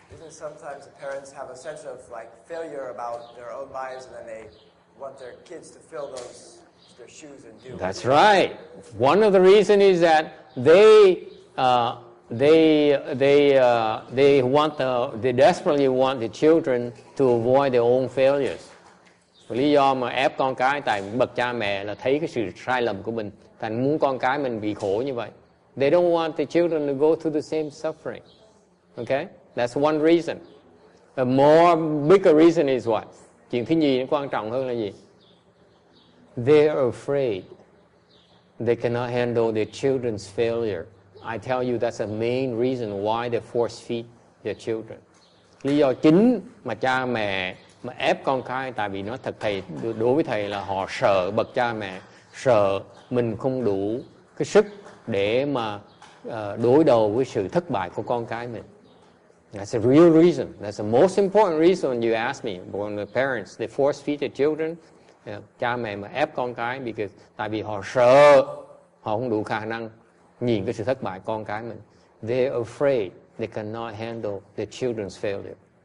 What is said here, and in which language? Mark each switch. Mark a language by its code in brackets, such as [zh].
[en] Sometimes the parents have a sense of like failure about their own lives, and then they want their kids to fill their shoes and do. That's right. One of the reasons is that they desperately want the children to avoid their own failures. [vi] Lý do mà ép con cái tại bậc cha mẹ là thấy cái sự sai lầm của mình, thành muốn con cái mình bị khổ như vậy. [en] They don't want the children to go through the same suffering. Okay. That's one reason. A more bigger reason is what? [vi] Chuyện thứ nhì quan trọng hơn là gì? [en] They're afraid. They cannot handle their children's failure. I tell you, that's the main reason why they force feed their children. [vi] Lý do chính mà cha mẹ mà ép con cái, tại vì nó thật thầy đối với thầy là họ sợ bậc cha mẹ, sợ mình không đủ cái sức để mà đối đầu với sự thất bại của con cái mình. [en] That's a real reason. That's the most important reason you ask me. When the parents, they force feed their children. [vi] Cha mẹ mà ép con cái, [en] because [vi] tại vì họ sợ, họ không đủ khả năng nhìn cái sự thất bại con cái mình. [en] They're afraid they cannot handle their children's failure.